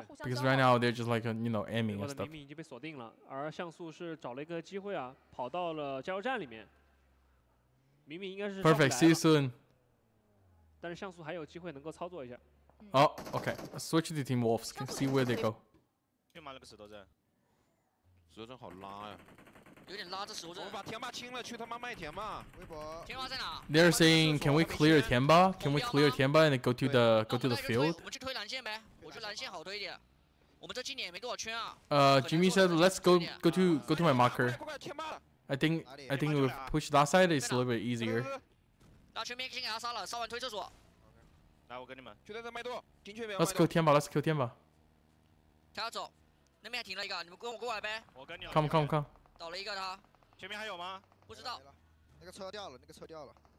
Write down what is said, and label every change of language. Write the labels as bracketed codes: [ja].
[en] Because right now they're just like, you know, aiming and stuff. [zh] 已经被锁定了，而像素是找了一个机会啊，跑到了加油站里面。明明应该是。 [en] Perfect. See you soon. [zh] 但是像素还有机会能够操作一下。 [en] 哦 ，OK, switch to Team Wolves, can see where they go. [zh] 又买了个石头阵，石头阵好拉呀，有点拉着石头阵。我们把天霸清了，去他妈麦田嘛。微博。天霸在哪 [en] ？They're saying, can we clear 天霸 ？Can we clear 天霸 and go to the field? [zh] 我们去推蓝线呗，我觉得蓝线好推一点。我们这今年也没多少圈啊。 [en] Jimmy said, let's go to my marker. I think we push that side is a little bit easier. [zh] 拿全兵先给他杀了，杀完推厕所。来，我跟你们去那边麦垛，进去没有 [en] ？Let's kill 天吧 ，Let's kill 天吧。 [zh] 他要走，那边还停了一个，你们跟我过来呗。我跟你。 [en] Come。 [zh] 倒了一个他。全兵还有吗？不知道。那个车掉了，那个车掉了。